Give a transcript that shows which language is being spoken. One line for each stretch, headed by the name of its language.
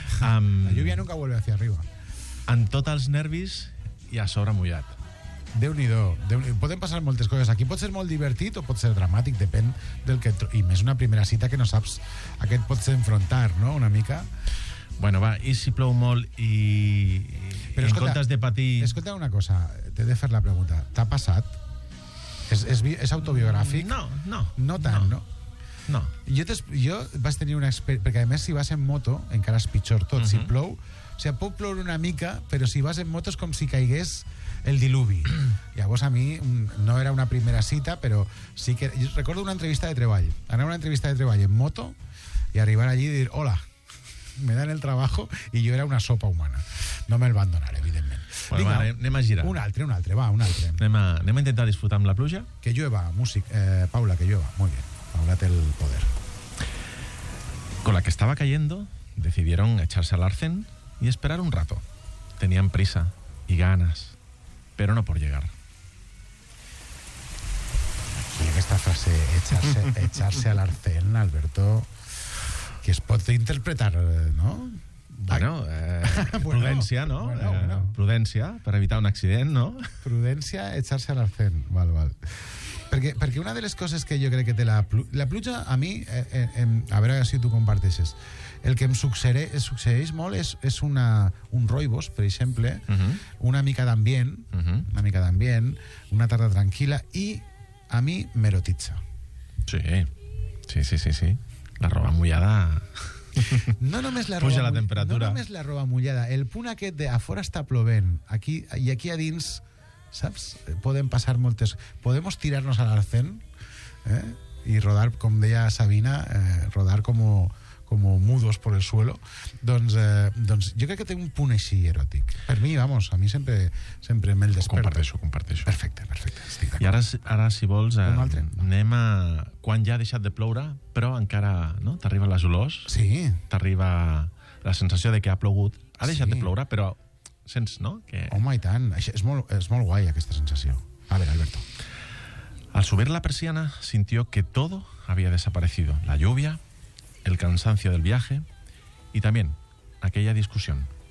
Spanish: La lluvia nunca vuelve hacia arriba.
Catalan: En tots els nervis i a sobre mullat. Déu-n'hi-do. Poden passar moltes coses. Aquí pot ser molt divertit o pot ser dramàtic, depèn del que... I més una primera cita que no saps a què et pots enfrontar, no?, una mica. Bueno, va, i si plou molt i... Però escolta, en comptes de patir... Escolta una cosa, t'he de fer la pregunta. T'ha passat? És autobiogràfic? No. No tant, no? No. Jo vaig tenir una experiència... Perquè, a més, si vas en moto, encara és pitjor tot, uh-huh. si plou... O sigui, pot ploure una mica, però si vas en moto és com si caigués el diluvi. Llavors, a mi, no era una primera cita, però sí que... Jo recordo una entrevista de treball. Anar a una entrevista de treball en moto i arribar allí i dir,
Spanish: hola, me dan el trabajo,
Catalan: i jo era una sopa humana. No me'l van donar, evidentment. Bueno, vinga, va, anem a girar. Un altre, va, un altre. Anem a intentar disfrutar amb la pluja?
Spanish: Que llueva, músic. Paula, que llueva. Muy bien. Paula
Catalan: té el poder.
Spanish: Con la que estaba cayendo, decidieron echarse al arcén y esperar un rato. Tenían prisa y ganas, pero no por llegar. Aquí en esta frase, echarse al arcén, Alberto,
Catalan: que es pot interpretar,
Spanish: ¿no? Bueno, prudencia, ¿no? Bueno.
Catalan: Prudencia, per evitar un accident, ¿no?
Spanish: Prudencia, echarse al arcén, val.
Catalan: Perquè una de les coses que jo crec que té la pluja, a mi, a veure si tu comparteixes, el que em succeeix molt és un roibos, per exemple, uh-huh. una mica d'ambient, uh-huh. una mica d'ambient, una tarda tranquil·la, i a mi m'erotitza. Sí. La roba mullada... No només la roba, puja la temperatura. No només la roba mullada, el punt aquest de a fora està plovent, aquí, i aquí a dins...
Spanish: ¿Sabes? Pueden pasar moltes... Podemos tirarnos al arcén, ¿eh? Y rodar, como decía Sabina, rodar como mudos por el suelo. Doncs yo creo que tengo un
Catalan: punt així eròtic. Per mi, vamos, a mi sempre me'l desperta. Comparteixo. Perfecte. I ara, si vols, anem a... Quan ja ha deixat de ploure, però encara, no? T'arriben les olors. Sí. T'arriba la sensació de que ha plogut. Ha deixat de ploure, però... Sents, no? Home, i tant. És molt guai, aquesta sensació.
Spanish: A ver, Alberto. Al subir la persiana, sintió que todo había desaparecido. La lluvia, el cansancio del viaje y también aquella discusión.